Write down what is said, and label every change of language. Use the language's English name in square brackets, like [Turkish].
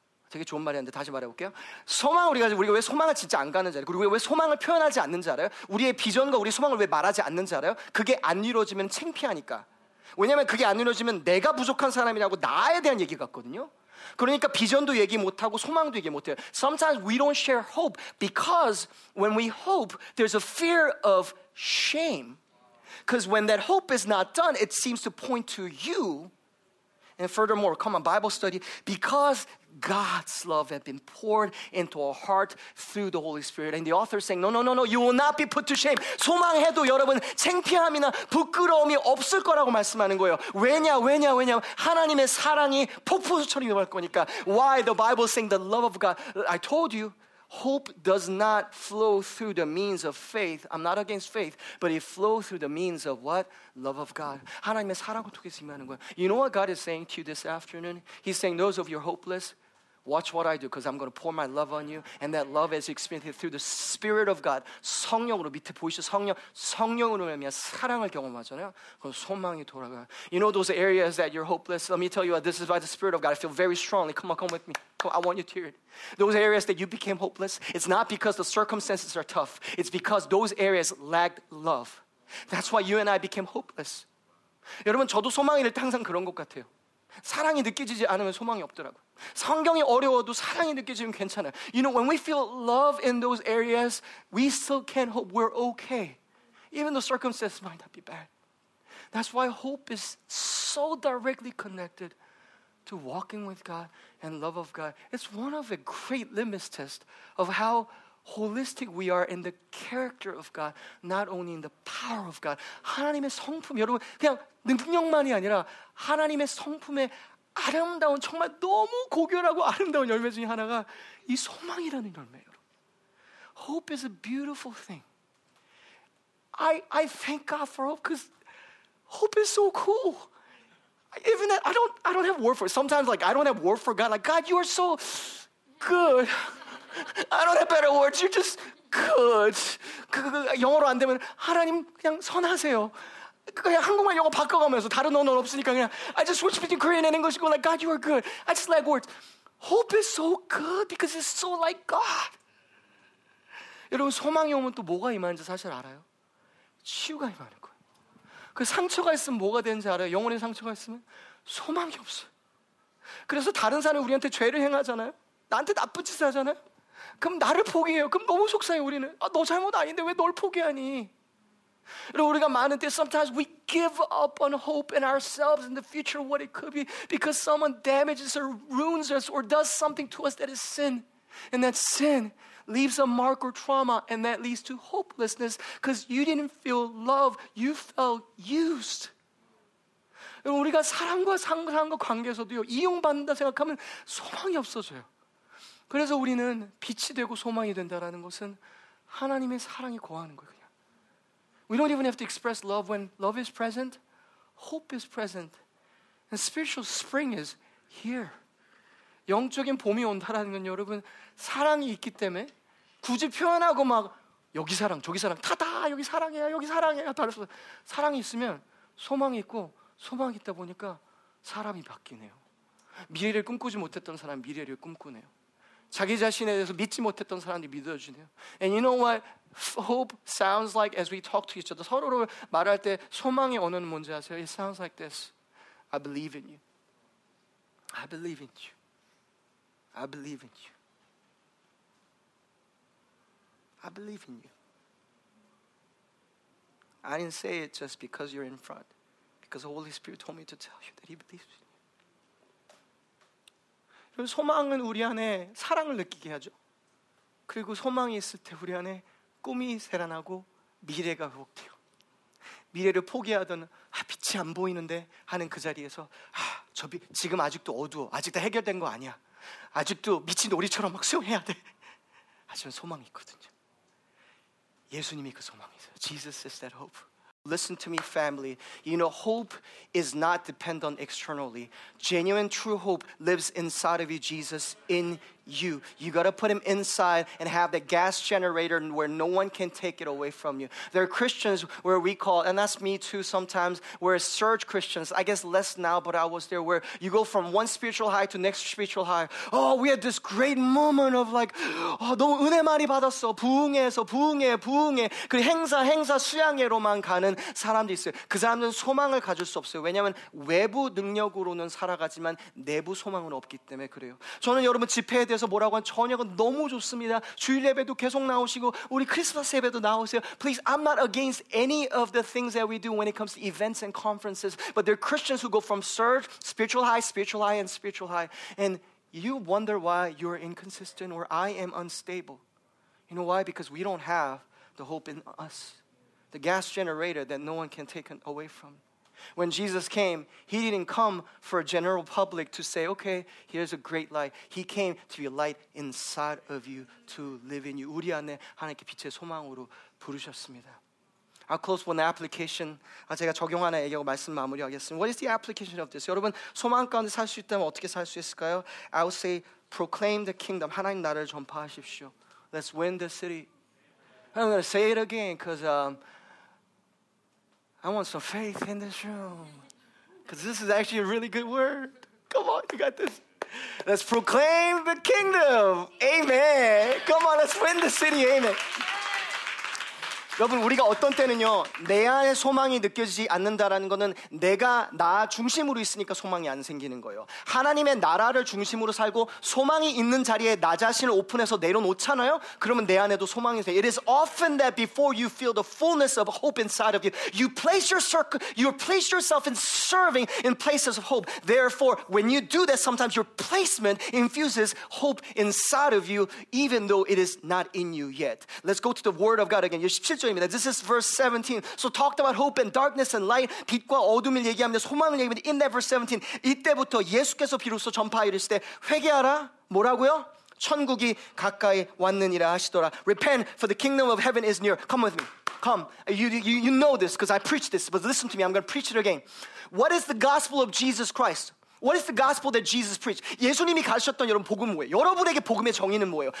[Korean] 되게 좋은 말이었는데 다시 말해볼게요. 소망을 우리가 왜 소망을 진짜 안 가는지 알아요? 그리고 왜 소망을 표현하지 않는지 알아요? 우리의 비전과 우리의 소망을 왜 말하지 않는지 알아요? 그게 안 이루어지면 창피하니까. 왜냐하면 그게 안 이루어지면 내가 부족한 사람이라고 나에 대한 얘기 같거든요. 그러니까 비전도 얘기 못하고 소망도 얘기 못해요. [English] Sometimes we don't share hope because when we hope, there's a fear of shame. Because when that hope is not done, it seems to point to you. And furthermore, come on, Bible study. Because God's love has been poured into our heart through the Holy Spirit. And the author is saying, no, you will not be put to shame. [Korean] 소망해도 여러분, 창피함이나 부끄러움이 없을 거라고 말씀하는 거예요. 왜냐, 하나님의 사랑이 폭포수처럼 임할 거니까. [English] Why? The Bible is saying the love of God. I told you. Hope does not flow through the means of faith. I'm not against faith, but it flows through the means of what? Love of God. [Korean] 하나님의 사랑을 통해서 임하는 거야. [English] You know what God is saying to you this afternoon? He's saying, those of you who are hopeless, watch what I do, because I'm going to pour my love on you, and that love is experienced through the Spirit of God. [Korean] 성령으로 밑에 보이시죠? 성령으로 말미암아 사랑을 경험하잖아요. 그럼 소망이 돌아가요. [English] You know those areas that you're hopeless? Let me tell you what, this is by the Spirit of God. I feel very strongly. Come on, come with me. I want you to hear it. Those areas that you became hopeless, it's not because the circumstances are tough. It's because those areas lacked love. That's why you and I became hopeless. [Korean] 여러분, 저도 소망이 될 때 항상 그런 것 같아요. 사랑이 느껴지지 않으면 소망이 없더라고요. 성경이 어려워도 사랑이 느껴지면 괜찮아요. [English] You know, when we feel love in those areas, we still can hope. We're okay. Even though circumstances might not be bad. That's why hope is so directly connected to walking with God and love of God. It's one of the great litmus tests of how holistic we are in the character of God, not only in the power of God. [Korean] 하나님의 성품, 여러분, 그냥 능력만이 아니라 하나님의 성품의 아름다운, 정말 너무 고귀하고 아름다운 열매 중에 하나가 이 소망이라는 열매예요, 여러분. [English] Hope is a beautiful thing. I thank God for hope because hope is so cool. Even that, I don't have word for it. Sometimes, like, I don't have word for God. Like, God, you are so good. I don't have better words. You're just good. [Korean] 영어로 안 되면 하나님 그냥 선하세요. 그냥 한국말 영어 바꿔가면서 다른 언어 없으니까 그냥 [English] I just switch between Korean and English. Like, God, you are good. I just like words. Hope is so good because it's so like God. [Korean] 여러분, 소망이 오면 또 뭐가 임하는지 사실 알아요? 치유가 임하는. 그 상처가 있으면 뭐가 되는지 알아요? 영혼의 상처가 있으면 소망이 없어요. 그래서 다른 사람이 우리한테 죄를 행하잖아요. 나한테 나쁜 짓을 하잖아요. 그럼 나를 포기해요. 그럼 너무 속상해요, 우리는. 아, 너 잘못 아닌데 왜 널 포기하니? 그리고 우리가 많은 때 [English] sometimes we give up on hope in ourselves and the future of what it could be because someone damages or ruins us or does something to us that is sin. And that sin leaves a mark or trauma, and that leads to hopelessness because you didn't feel love, you felt used. [Korean] 우리가 사람과 상관과 관계에서도요, 이용받는다 생각하면 소망이 없어져요. 그래서 우리는 빛이 되고 소망이 된다라는 것은 하나님의 사랑이 거하는 거예요, 그냥. [English] We don't even have to express love when love is present, hope is present, and spiritual spring is here. [Korean] 영적인 봄이 온다라는 건 여러분 사랑이 있기 때문에 굳이 표현하고 막 여기 사랑 저기 사랑 타다 여기 사랑해 여기 사랑해 다 알았어. 사랑이 있으면 소망이 있고 소망이 있다 보니까 사람이 바뀌네요. 미래를 꿈꾸지 못했던 사람이 미래를 꿈꾸네요. 자기 자신에 대해서 믿지 못했던 사람들이 믿어주네요. [English] And you know what hope sounds like as we talk to each other. [Korean] 서로로 말할 때 소망의 언어는 뭔지 아세요? [English] It sounds like this. I believe in you. I believe in you. I believe in you. I believe in you. I didn't say it just because you're in front. Because the Holy Spirit told me to tell you that he believes in you. [Korean] 소망은 우리 안에 사랑을 느끼게 하죠. 그리고 소망이 있을 때 우리 안에 꿈이 살아나고 미래가 회복돼요. 미래를 포기하던 아, 빛이 안 보이는데 하는 그 자리에서 아, 저 빛, 지금 아직도 어두워. 아직 다 해결된 거 아니야. 아직도 미친 놀이처럼 막 수용해야 돼. 하지만 소망이 있거든요. 예수님이 그 소망이세요. [English] Jesus is that hope. Listen to me, family. You know, hope is not dependent externally. Genuine, true hope lives inside of you, Jesus, in you. You got to put him inside and have that gas generator where no one can take it away from you. There are Christians where we call, and that's me too sometimes, where surge Christians, I guess less now, but I was there, where you go from one spiritual high to next spiritual high. Oh, we had this great moment of like, oh, [Korean] 너 은혜 많이 받았어. 부흥해서 부흥해, 부흥해. 그 행사, 행사 수양회로만 가는 사람도 있어요. 그 사람들은 소망을 가질 수 없어요. 왜냐하면 외부 능력으로는 살아가지만 내부 소망은 없기 때문에 그래요. 저는 여러분 집회에 대해서 뭐라고 한 저녁은 너무 좋습니다. 주일 예배도 계속 나오시고 우리 크리스마스 예배도 나오세요. [English] Please, I'm not against any of the things that we do when it comes to events and conferences, but there are Christians who go from surge, spiritual high, and spiritual high. And you wonder why you're inconsistent or I am unstable. You know why? Because we don't have the hope in us. The gas generator that no one can take away from. When Jesus came, he didn't come for a general public to say, okay, here's a great light. He came to be a light inside of you, to live in you. [Korean] 우리 안에 하나님께 빛의 소망으로 부르셨습니다. [English] I'll close with an application. [Korean] 제가 적용하는 얘기하고 말씀 마무리하겠습니다. [English] What is the application of this? [Korean] 여러분, 소망 가운데 살 수 있다면 어떻게 살 수 있을까요? [English] I would say, proclaim the kingdom. [Korean] 하나님 나라를 전파하십시오. [English] Let's win the city. I'm going to say it again because... I want some faith in this room. Because this is actually a really good word. Come on, you got this. Let's proclaim the kingdom. Amen. Come on, let's win the city. Amen. [Korean] 여러분, 우리가 어떤 때는요, 내 안에 소망이 느껴지지 않는다라는 거는 내가 나 중심으로 있으니까 소망이 안 생기는 거예요. 하나님의 나라를 중심으로 살고 소망이 있는 자리에 나 자신을 오픈해서 내려놓잖아요? 그러면 내 안에도 소망이 돼. [English] It is often that before you feel the fullness of hope inside of you, you place your circle, you place yourself in serving in places of hope. Therefore, when you do that, sometimes your placement infuses hope inside of you, even though it is not in you yet. Let's go to the word of God again. This is verse 17. So talked about hope and darkness and light. [Korean] 빛과 어둠을 얘기합니다. 소망을 얘기합니다. [English] In that verse 17. [Korean] 이때부터 예수께서 비로소 전파하시되 회개하라. 뭐라고요? 천국이 가까이 왔느니라 하시더라. [English] Repent, for the kingdom of heaven is near. Come with me. Come. You know this because I preached this. But listen to me. I'm going to preach it again. What is the gospel of Jesus Christ? What is the gospel that Jesus preached? [Korean] 예수님이 가르쳤던 여러분 복음 뭐예요? 여러분에게 복음의 정의는 뭐예요?